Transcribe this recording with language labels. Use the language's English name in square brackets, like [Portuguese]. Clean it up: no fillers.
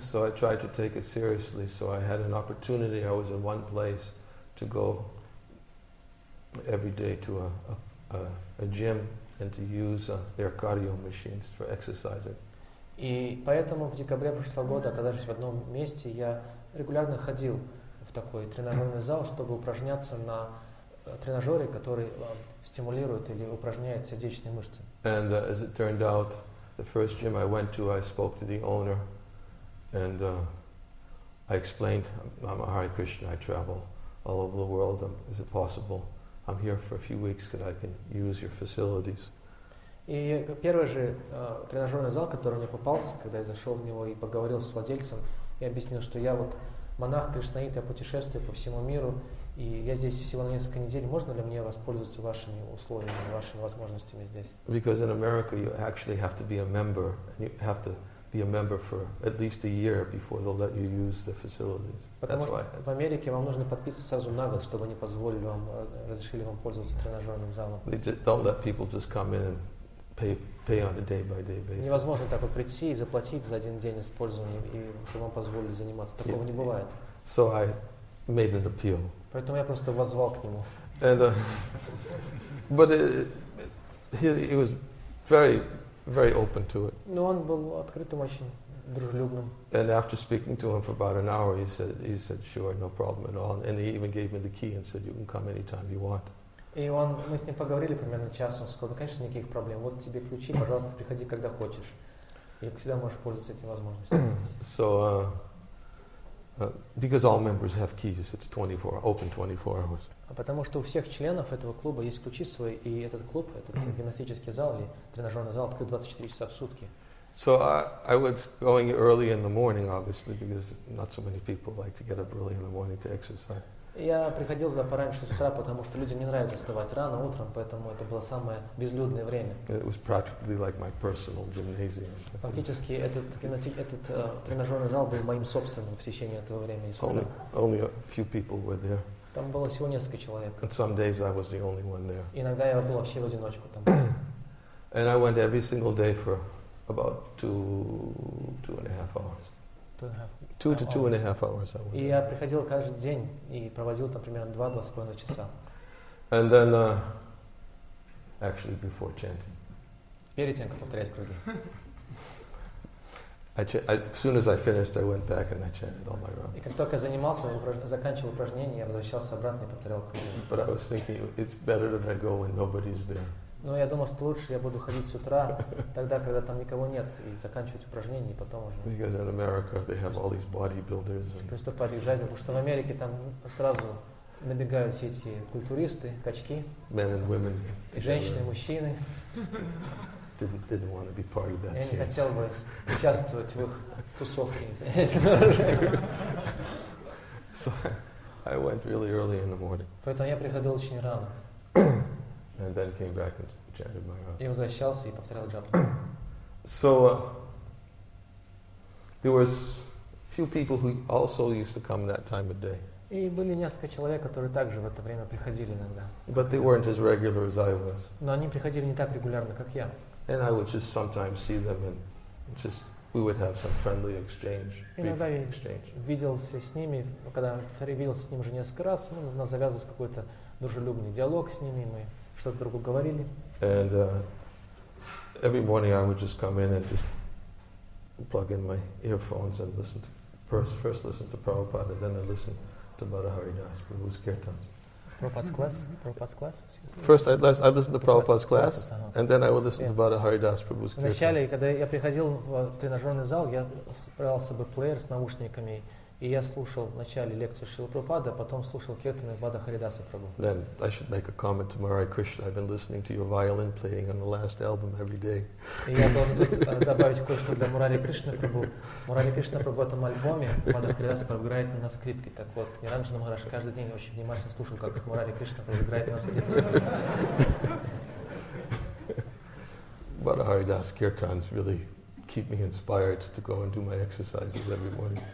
[English] So I tried to take it seriously, so I had an opportunity, I was in one place, to go every day to a gym and to use their cardio machines for exercising. [Russian] И поэтому в декабре прошлого года, оказавшись в одном месте, я регулярно ходил в такой тренажерный зал, чтобы упражняться на тренажёры, которые стимулируют или упражняют сердечные мышцы. [English] And as it turned out, the first gym I went to, I spoke to the owner, and I explained, I'm a Hare Krishna, I travel all over the world, is it possible? I'm here for a few weeks, could I can use your facilities? [Russian] И первый же тренажерный зал, который мне попался, когда я зашел в него и поговорил с владельцем, я объяснил, что я вот монах кришнаит, я путешествую по всему миру, и я здесь всего на несколько недель. Можно ли мне воспользоваться вашими условиями, вашими возможностями здесь? [English] Because in America you actually have to be a member, and you have to be a member for at least a year before they'll let you use the facilities. [Russian] В Америке вам нужно подписываться сразу на год, чтобы они позволили вам, разрешили вам пользоваться тренажерным залом. [English] They don't let people just come in and pay on a day-by-day basis. [Russian] Невозможно так вот прийти и заплатить за один день использования, и чтобы вам позволили заниматься. Такого не бывает. [English] So I made an appeal. [Russian] Поэтому я просто воззвал к нему. [English] And, but he was very, very open to it. [Russian] Но он был открытым, очень дружелюбным. [English] And after speaking to him for about an hour, he said, sure, no problem at all. And he even gave me the key and said, you can come anytime you want. [Russian] И он, мы с ним поговорили примерно час, он сказал, да, конечно, никаких проблем, вот тебе ключи, пожалуйста, приходи, когда хочешь. И всегда можешь пользоваться этими возможностями. [English] So, because all members have keys, it's 24, open 24 hours. [Russian] Потому что у всех членов этого клуба есть ключи свои, и этот клуб, этот гимнастический зал или тренажерный зал открыт 24 часа в сутки. [English] So I was going early in the morning, obviously, because not so many people like to get up early in the morning to exercise. [Russian] Я приходил туда пораньше с утра, потому что людям не нравится вставать рано утром, поэтому это было самое безлюдное время. [English] It was practically like my personal gymnasium. [Russian] Фактически этот тренажерный зал был моим собственным в течение этого времени. [English] Only a few people were there. [Russian] Там было всего несколько человек. [English] And some days I was the only one there. [Russian] Иногда я был вообще в одиночку там. [English] And I went every single day for about two and a half hours. Two to two and a half hours. [Russian] И я приходил каждый день и проводил там примерно 2-2.5 часа. [English] And then, actually, before chanting. [Russian] Перед тем, как повторять круги. [English] As soon as I finished, I went back and I chanted all my rounds. [Russian] И как только занимался, заканчивал упражнение, я возвращался обратно и повторял круги. [English] But I was thinking, it's better that I go when nobody's there. [Russian] Но я думал, что лучше я буду ходить с утра, тогда, когда там никого нет, и заканчивать упражнения, и потом уже. [English] Because in America they have all these bodybuilders. [Russian] Приступать к жизни, потому что в Америке там сразу набегают все эти культуристы, качки. [English] Men and women. [Russian] И женщины, мужчины. [English] Didn't want to be part of that scene. [Russian] Я не хотел бы участвовать в их тусовке, если можно. [English] So I went really early in the morning. [Russian] Поэтому я приходил очень рано. [English] And then came back and chanted my rounds. [Russian] И возвращался и повторял джапу. [English] So there was few people who also used to come that time of day. [Russian] И были несколько человек, которые также в это время приходили иногда. [English] But they weren't as regular as I was. [Russian] Но они приходили не так регулярно, как я. [English] And I would just sometimes see them and just we would have some friendly exchange. [Russian] Иногда я виделся с ними, когда виделся с ним уже несколько раз, у нас завязывался какой-то дружелюбный диалог с ними, мы что-то другу говорили. [English] And every morning I would just come in and just plug in my earphones and listen to first listen to Prabhupada, then I listen to Madhavari Das Prabhu's kirtans. Prabhupada's class? First I listen to Prabhupada's class, and then I would listen to Madhavari Das Prabhu's kirtans. [Russian] Вначале, когда я приходил в тренажерный зал, я брал с собой плеер с наушниками, и я слушал вначале лекцию Шрилы Прабхупады, а потом слушал киртаны Бхада Харидаса Прабху. [English] Then I should make a comment to Maharaj Krishna. I've been listening to your violin playing on the last album every day. [Russian] И я должен тут добавить кое-что для Мурари Кришны Прабху. Мурари Кришна Прабху в этом альбоме Бхада Харидаса Прабху играет на скрипке. Так вот, Ниранджана Махарадж каждый день очень внимательно слушал, как Мурари Кришна Прабху играет на скрипке. [English] Бхада Харидас Киртан really keep me inspired to go and do my exercises every morning.